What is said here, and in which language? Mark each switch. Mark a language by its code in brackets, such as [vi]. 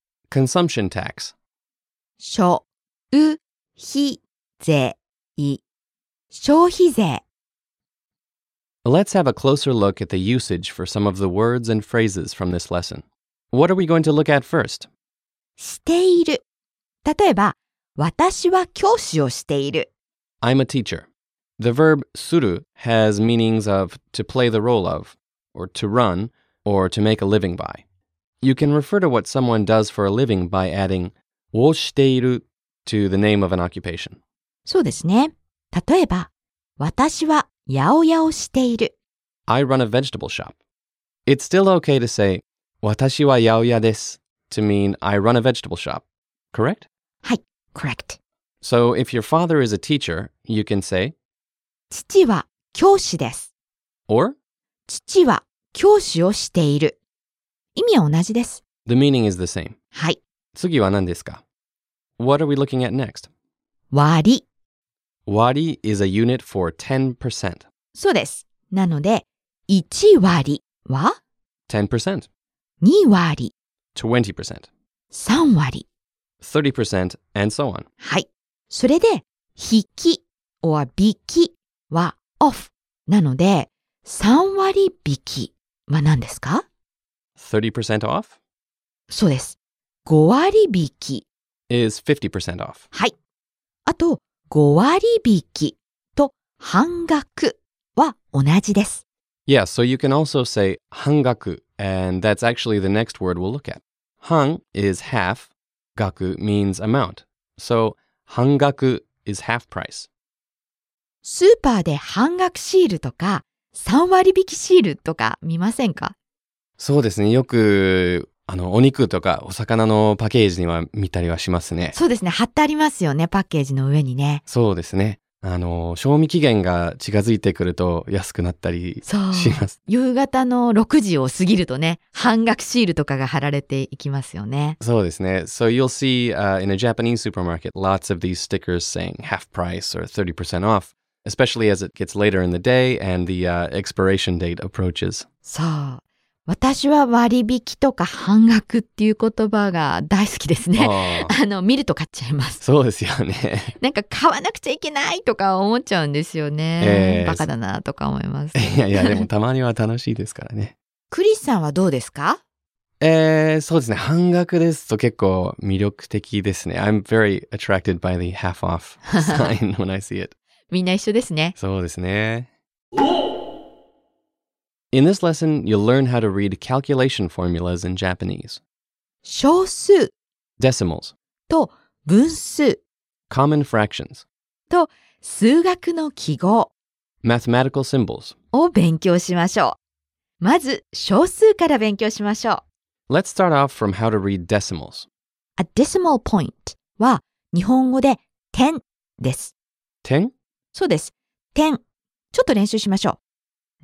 [en] Consumption tax [ja] 消費税消費税 [en] Let's have a closer look at the usage for some of the words and phrases from this lesson. What are we going to look at first? [ja] している例えば私は教師をしている [en] I'm a teacher. The verb する has meanings of to play the role of, or to run, or to make a living by. You can refer to what someone does for a living by adding をしている to the name of an occupation. [ja] そうですね。例えば、私は八百屋をしている。 [en] I run a vegetable shop. It's still okay to say [ja] 私は八百屋です [en] to mean I run a vegetable shop. Correct? [ja] はい、correct. [en] So if your father is a teacher, you can say [ja] 父は教師です。 [en] Or [ja] 父は教師をしている。意味は同じです。 [en] The meaning is the same. [ja] はい。次は何ですか? [en] What are we looking at next? [ja] 割り。 [en] 割り is a unit for 10%. [ja] そうです。なので、1割りは? [en] 10%. [ja] 2割り。 [en] 20%. [ja] 3割り。 [en] 30% and so on. [ja] はい。それで、引き or 引きは off。なので、3割り引きは何ですか? [en] 30% off? [ja] そうです。5割引き。 [en] is 50% off. [ja] はい。あと、5割引きと半額は同じです。 [en] Yeah, so you can also say 半額, and that's actually the next word we'll look at. 半 is half, 額 means amount. So 半額 is half price. [ja] スーパーで半額シールとか3割引きシールとか見ませんか？そうですね。よくあのお肉とかお魚のパッケージには見たりはしますね。そうですね。貼ってありますよね、パッケージの上にね。そうですね。あの賞味期限が近づいてくると安くなったりします。夕方の6時を過ぎるとね、半額シールとかが貼られていきますよね。そうですね。 [en] So you'll see、in a Japanese supermarket lots of these stickers saying half price or 30% off, especially as it gets later in the day and the、expiration date approaches. [ja] そう、私は割引とか半額っていう言葉が大好きですね。あの、見ると買っちゃいます。そうですよね。なんか買わなくちゃいけないとか思っちゃうんですよね。バカだなとか思います。いやいや、でもたまには楽しいですからね。クリスさんはどうですか？そうですね。半額ですと結構魅力的ですね。 [en] I'm very attracted by the half off sign when I see it. [ja] みんな一緒ですね。そうですね。 [en] In this lesson, you'll learn how to read calculation formulas in Japanese. [ja] 小数 [en] decimals [ja] と分数 [en] common fractions [ja] と数学の記号 [en] mathematical symbols [ja] を勉強しましょう。まず小数から勉強しましょう。 [en] Let's start off from how to read decimals. A decimal point [ja] は日本語で点です。点？そうです。点。ちょっと練習しましょう。